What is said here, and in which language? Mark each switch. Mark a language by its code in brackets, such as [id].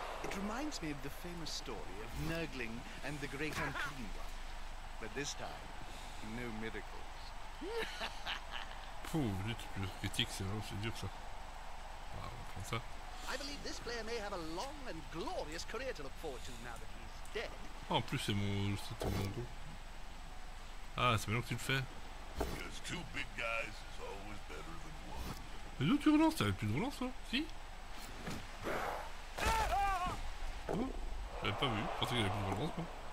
[en] It reminds me of the famous story of Nurgling and the Great Unclean One. But this time, no miracles. [fr] Pouh, lui, tu critiques, c'est dur ça. Ah, on va prendre ça. [en] I believe this player may have a long and glorious career to look forward to now that he's dead. [fr] Oh, en plus, c'est mon dos. Ah, c'est maintenant que tu le fais. [en] Because two big guys is always better than one. [fr] Mais d'où tu relances? T'avais plus de relance, toi? Si? Oh, j'avais pas vu. Je pensais qu'il y avait plus de relance, quoi.